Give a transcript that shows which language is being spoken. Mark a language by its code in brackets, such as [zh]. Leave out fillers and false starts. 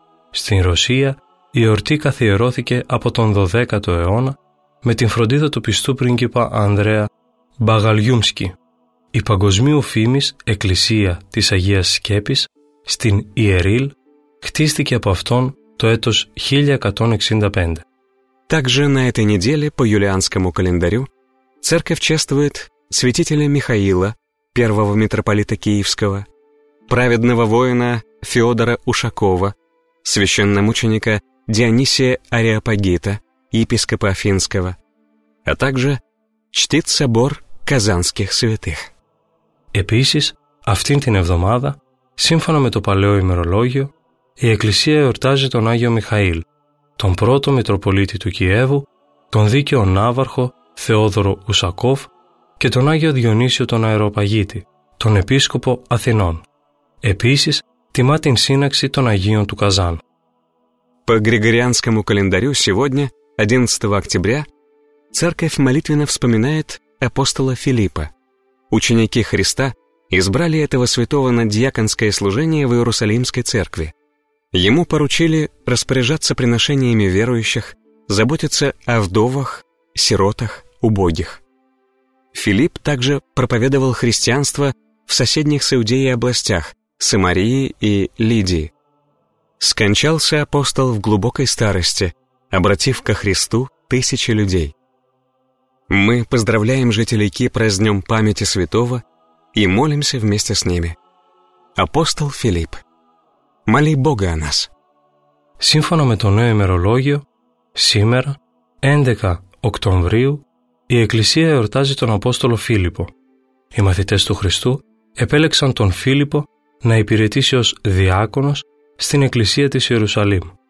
[el] Στην Ρωσία, η εορτή καθιερώθηκε από τον 12ο αιώνα με την φροντίδα του πιστού πρίγκιπα Ανδρέα Μπαγαλιούμσκι. Η παγκοσμίου φήμης Εκκλησία της Αγίας Σκέπης στην Ιερίλ χτίστηκε από αυτόν το έτος 1165. [ru] Также на этой неделе по юлианскому календарю церковь чествует святителя Михаила, первого митрополита Киевского, праведного воина Феодора Ушакова, священномученика Дионисия Ареопагита, епископа Афинского, а также Штит Собор Казанских Святых. [el] Επίσης, αυτήν την εβδομάδα, σύμφωνα με το παλαιό ημερολόγιο, η Εκκλησία εορτάζει τον Άγιο Μιχαήλ, τον πρώτο Μητροπολίτη του Κιέβου, τον δίκαιο Ναύαρχο Θεόδωρο Ουσακόφ και τον Άγιο Διονύσιο τον Αεροπαγίτη, τον Επίσκοπο Αθηνών. Επίσης, τιμά την σύναξη των Αγίων του Καζάν. [ru] По Григорианскому календарю сегодня, 11 октября, церковь молитвенно вспоминает апостола Филиппа. Ученики Христа избрали этого святого на диаконское служение в Иерусалимской церкви. Ему поручили распоряжаться приношениями верующих, заботиться о вдовах, сиротах, убогих. Филипп также проповедовал христианство в соседних с Иудеей областях – Самарии и Лидии. Скончался апостол в глубокой старости, обратив ко Христу тысячи людей. Мы поздравляем жителей Кипра с днем памяти святого и молимся вместе с ними. Апостол Филипп, моли Бога о нас. [el] Σύμφωνα με το νέο ημερολόγιο, σήμερα, 11 Οκτωβρίου, η Εκκλησία εορτάζει τον Απόστολο Φίλιππο. Οι μαθητές του Χριστού επέλεξαν τον Φίλιππο να υπηρετήσει ως διάκονος στην Εκκλησία της Ιερουσαλήμ.